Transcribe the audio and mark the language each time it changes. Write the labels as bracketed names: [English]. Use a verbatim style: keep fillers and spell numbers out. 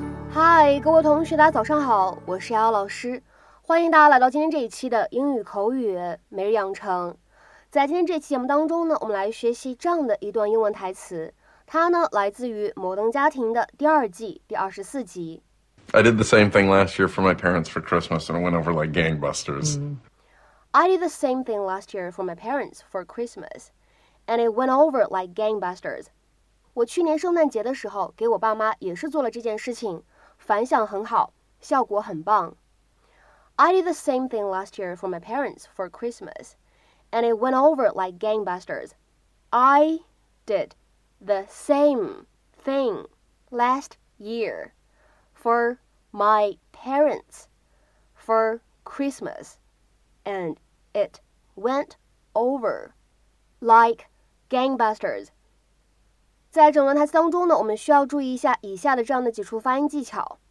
[Chinese] 嗨，各位同学，大家早上好，我是姚老师，欢迎大家来到今天这一期的英语口语每日养成。在今天这期节目当中呢，我们来学习这样的一段英文台词，它呢来自于《摩登家庭》的第二季第二十四集。 [English] I did the same thing last year for my parents for Christmas, and it went over like gangbusters. Mm. I did the same thing last year for my parents for Christmas, and it went over like gangbusters. [Chinese] 我去年圣诞节的时候，给我爸妈也是做了这件事情，反响很好，效果很棒。 [English] I did the same thing last year for my parents for Christmas, and it went over like gangbusters. I did the same thing last year for my parents for Christmas, and it went over like gangbusters. [Chinese] 在整段台词当中呢，我们需要注意一下以下的这样的几处发音技巧。